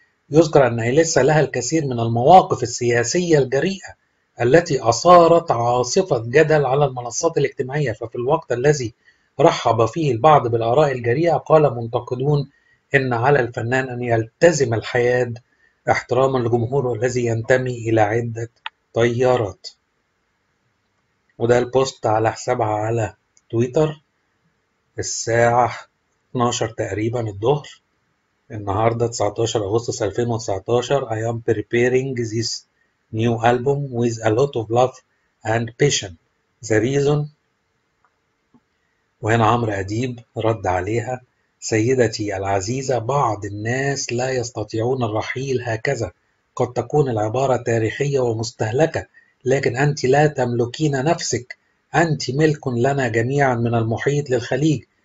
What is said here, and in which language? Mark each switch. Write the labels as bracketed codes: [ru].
[ar] يذكر أن إليسا لها الكثير من المواقف السياسية الجريئة التي أثارت عاصفة جدل على المنصات الاجتماعية، ففي الوقت الذي رحب فيه البعض بالآراء الجريئة، قال منتقدون إن على الفنان أن يلتزم الحياد احتراما لجمهوره الذي ينتمي إلى عدة تيارات. وده البوست على حسابها على تويتر الساعة 12 تقريبا الظهر النهاردة 19 أغسطس 2019. [en] I am preparing this new album with a lot of love and passion. The reason. [ar] وهنا عمرو أديب رد عليها: سيدتي العزيزة، بعض الناس لا يستطيعون الرحيل هكذا، قد تكون العبارة تاريخية ومستهلكة، لكن أنت لا تملكين نفسك، أنت ملك لنا جميعا من المحيط للخليج.